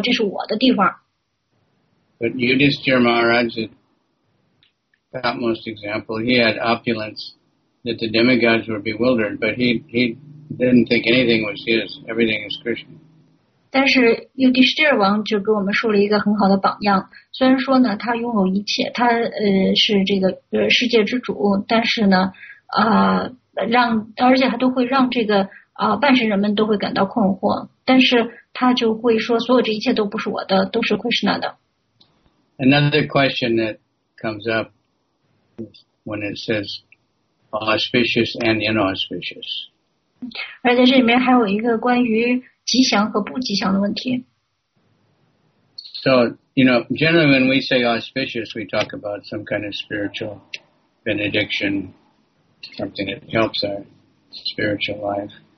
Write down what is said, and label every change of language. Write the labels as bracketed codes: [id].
[zh] 有的时候我们就看到睡在大街上的人，他呢其实对于他在大街上睡的那个地方，他是非常的依附的，他总是跟别人打架说这是我的地方。 [en] But Yudhishthir Maharaj is the topmost example. He had opulence that the demigods were bewildered, but he didn't think anything was his. Everything is Krishna. [zh] 但是Yudhishthir王就给我们说了一个很好的榜样。虽然说呢，他拥有一切，他是这个世界之主，但是呢，让而且他都会让这个半神人们都会感到困惑。但是他就会说，所有这一切都不是我的，都是 Krishna 的。 [en] Another question that comes up when it says auspicious and inauspicious. [zh] 而在这里面还有一个关于吉祥和不吉祥的问题。 [en] So, you know, generally when we say auspicious, we talk about some kind of spiritual benediction, something that helps our spiritual life.